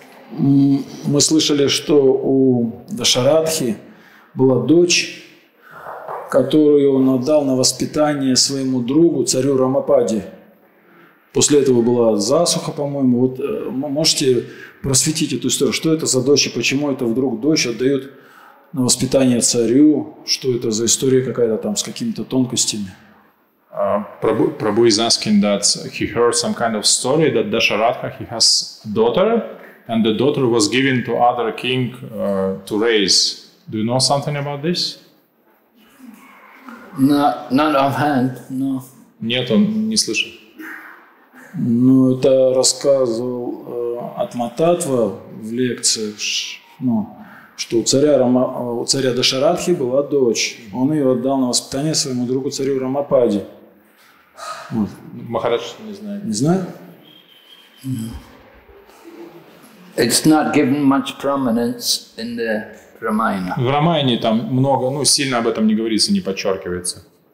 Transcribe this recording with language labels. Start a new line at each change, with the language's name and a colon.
Russian: Мы слышали, что у Дашарадхи была дочь, которую он отдал на воспитание своему другу, царю Рамападе. После этого была засуха, по-моему. Вот можете просветить эту историю? Что это за дочь и почему это вдруг дочь отдает на воспитание царю? Что это за история какая-то там с какими-то тонкостями?
English: Prabhu is asking that he heard some kind of story that Dasharatha, he has daughter, and the daughter was given to other king to raise. Do you know something about this? No, not offhand, no.
Russian: Нет, он не слышал. Ну, это рассказывал Атматтатва в лекциях, ну, что у царя Дашарадхи была дочь. Он ее отдал на воспитание своему другу царю Рамападе. Вот. Махарадж не знает. Не знает?
English: It's not given much prominence in the Рамайна.
Russian: В Рамайне там много, ну, сильно об этом не говорится, не подчеркивается.